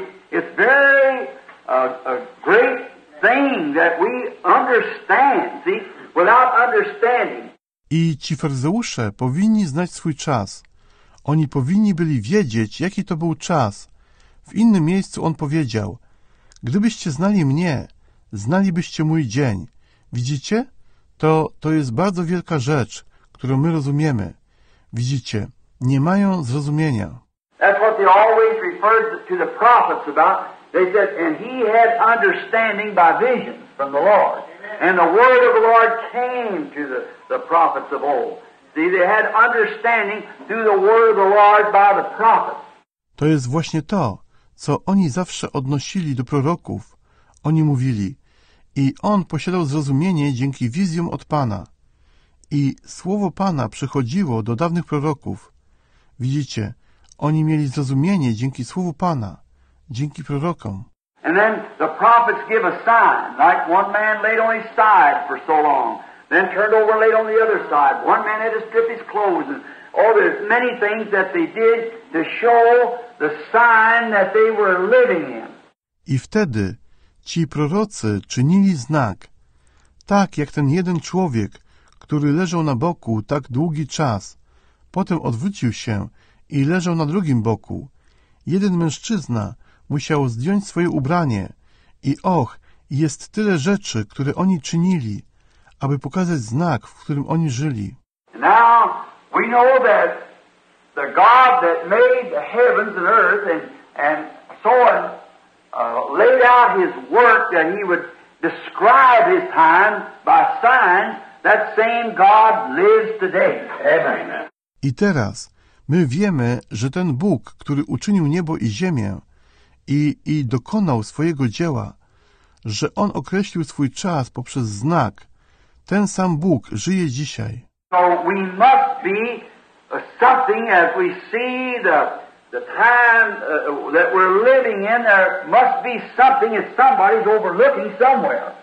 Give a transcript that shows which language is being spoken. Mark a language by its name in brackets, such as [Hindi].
[English] It's very a great thing that we understand, see, without understanding. [Polish] I ci faryzeusze powinni znać swój czas. Oni powinni byli wiedzieć, jaki to był czas. W innym miejscu on powiedział, gdybyście znali mnie, znalibyście mój dzień. Widzicie? To jest bardzo wielka rzecz, którą my rozumiemy. Widzicie? Nie mają zrozumienia. [English] That's what they always referred to the prophets about. They said, and he had understanding by visions from the Lord. And the word of the Lord came to the prophets of old. See, they had understanding through the word of the Lord by the prophets. [Polish] To jest właśnie to, co oni zawsze odnosili do proroków. Oni mówili, i on posiadał zrozumienie dzięki wizjom od Pana. I słowo Pana przychodziło do dawnych proroków. Widzicie, oni mieli zrozumienie dzięki słowu Pana, dzięki prorokom. [English] And then the prophets give a sign, like one man laid on his side for so long, then turned over and laid on the other side. One man had to strip his clothes and all there's many things that they did to show the sign that they were living in. [Polish] I wtedy ci prorocy czynili znak, tak jak ten jeden człowiek, który leżał na boku tak długi czas, potem odwrócił się i leżał na drugim boku. Jeden mężczyzna musiał zdjąć swoje ubranie i och, jest tyle rzeczy, które oni czynili, aby pokazać znak, w którym oni żyli. [English] Now we know that the God that made the heavens and earth and so on laid out his work that he would describe his time by signs, that same God lives today. Amen. [Polish] I teraz my wiemy, że ten Bóg, który uczynił niebo i ziemię i dokonał swojego dzieła, że on określił swój czas poprzez znak, ten sam Bóg żyje dzisiaj. [English] So we must be something as we see the time that we're living in, there must be something that somebody's overlooking somewhere.